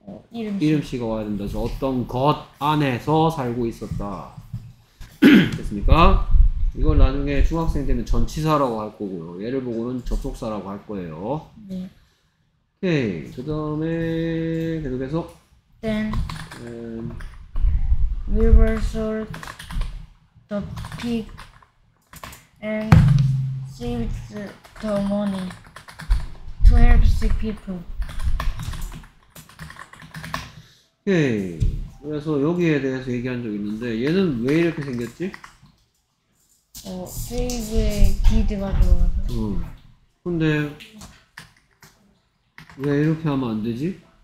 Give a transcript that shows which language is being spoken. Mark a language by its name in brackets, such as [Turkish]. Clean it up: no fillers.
[Korean] 이름씨. 이름씨가 와야 된다. 어떤 것 안에서 살고 있었다. 됐습니까? 이걸 나중에 중학생 되면 전치사라고 할 거고요. 얘를 보고는 접속사라고 할 거예요. 네. 오케이, 그 다음에 계속해서 [English] Then Wilbur sold the pig and saved the money to help sick people. [Korean] 오케이, 그래서 여기에 대해서 얘기한 적 있는데 얘는 왜 이렇게 생겼지? [English] Save a kid가 [Korean] 들어가서 근데 왜 이렇게 하면 안 되지?